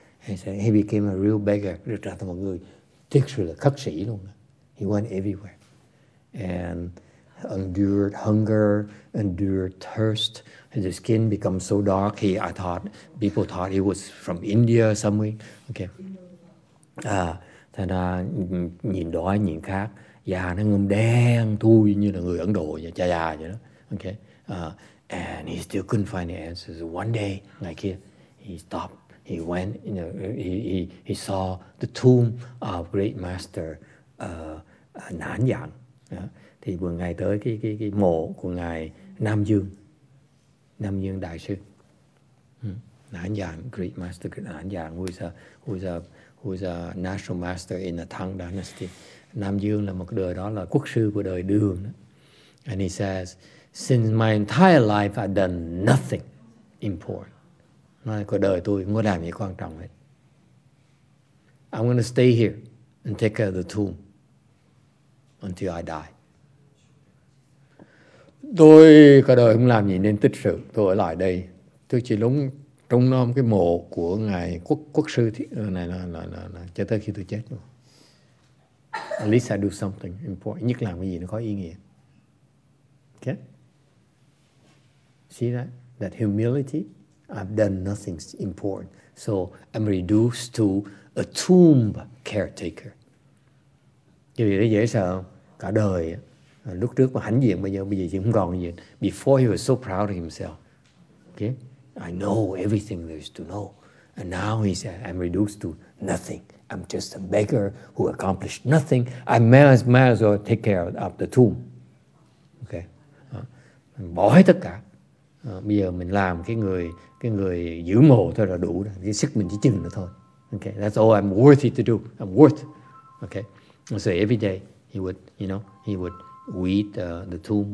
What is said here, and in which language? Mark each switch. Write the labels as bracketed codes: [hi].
[en] He said he became a real beggar, [vi] được trở thành một người thực sự là khất sĩ luôn. [en] He went everywhere and endured hunger, endured thirst. His skin became so dark. People thought he was from India or something. Okay. [vi] Thành ra nhìn đói nhìn khát, da nó ngâm đen thui như là người Ấn Độ vậy, cha già vậy đó. [en] Okay. And he still couldn't find the answers. One day, like here, he stopped. He went. You know, he saw the tomb of great master Nan Yang. [vi] Thì vừa ngày tới cái mộ của ngài Nam Dương đại sư. [en] Nan Yang, great master Nan Yang, who's a national master in the Tang Dynasty. [vi] Nam Dương là một đời đó là quốc sư của đời Đường. [en] And he says, since my entire life, I've done nothing important. [vi] Nói cuộc đời tôi không có làm gì quan trọng hết. [en] I'm going to stay here and take care of the tomb until I die. [vi] Tôi cả đời không làm gì nên tích sự. Tôi ở lại đây. Tôi chỉ lúng trông nom cái mộ của ngài quốc sư này là cho tới khi tôi chết. [en] At least I do something important. [vi] Nhất làm cái gì nó có ý nghĩa. [en] Okay? See that humility? I've done nothing important. So I'm reduced to a tomb caretaker. [vi] Vậy thì dễ sợ không? Cả đời lúc trước mà hãnh diện, bây giờ thì không còn gì. [en] Before he was so proud of himself. Okay? I know everything there is to know. And now he said, I'm reduced to nothing. I'm just a beggar who accomplished nothing. I may as well take care of the tomb. Okay? [vi] Mình bỏ hết tất cả. Bây giờ mình làm cái người giữ mộ thôi là đủ rồi. Cái sức mình chỉ chừng nữa thôi. [en] Okay? That's all I'm worthy to do. I'm worth. Okay? And so every day he would, you know, he would weed the tomb.